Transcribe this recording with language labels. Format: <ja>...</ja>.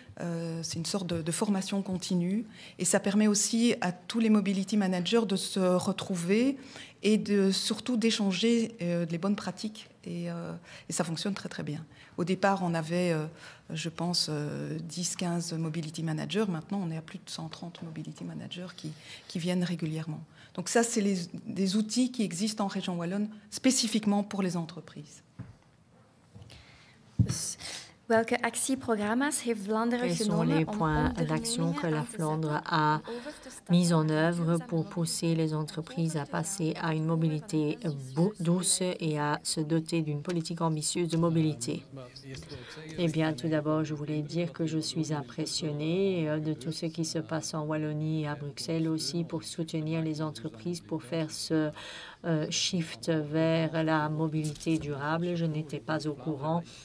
<fr>C'est une sorte de formation continue, et ça permet aussi à tous les mobility managers de se retrouver et surtout d'échanger les bonnes pratiques, et ça fonctionne très très bien. Au départ, on avait, je pense, 10-15 mobility managers. Maintenant, on est à plus de 130 mobility managers qui viennent régulièrement. Donc ça, c'est des outils qui existent en région Wallonne, spécifiquement pour les entreprises.</fr> <nl>Welke actieprogramma's heeft Vlaanderen genomen?</nl> <fr>Quels sont les points d'action que la Flandre a mis en œuvre pour pousser les entreprises à passer à une mobilité douce et à se doter d'une politique ambitieuse de mobilité? Eh bien, tout d'abord, je voulais dire que je suis impressionnée de tout ce qui se passe en Wallonie et à Bruxelles aussi pour soutenir les entreprises pour faire ce shift vers la mobilité durable. Je n'étais pas au courant</fr>